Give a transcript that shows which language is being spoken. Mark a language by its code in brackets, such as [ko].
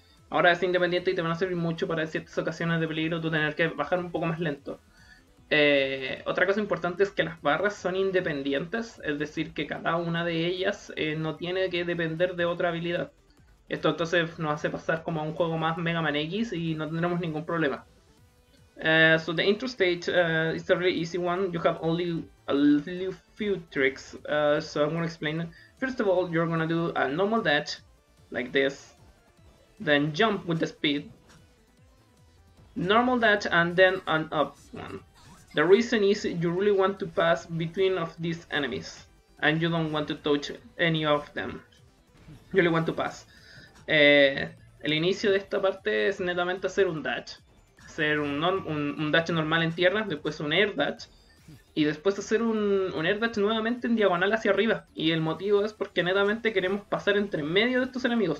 [es] Ahora es independiente y te van a servir mucho para ciertas ocasiones de peligro tú tener que bajar un poco más lento. Otra cosa importante es que las barras son independientes, es decir que cada una de ellas no tiene que depender de otra habilidad. Esto entonces nos hace pasar como a un juego más Mega Man X y no tendremos ningún problema. [en] So the intro stage is a really easy one. You have only a few tricks, so I'm gonna explain it. First of all, you're gonna do a normal dash like this, then jump with the speed, normal dash, and then an up one. The reason is you really want to pass between of these enemies and you don't want to touch any of them. You really want to pass. [es] El inicio de esta parte es netamente hacer un dash. Hacer un dash normal en tierra, después un air dash, y después hacer un air dash nuevamente en diagonal hacia arriba. Y el motivo es porque netamente queremos pasar entre medio de estos enemigos.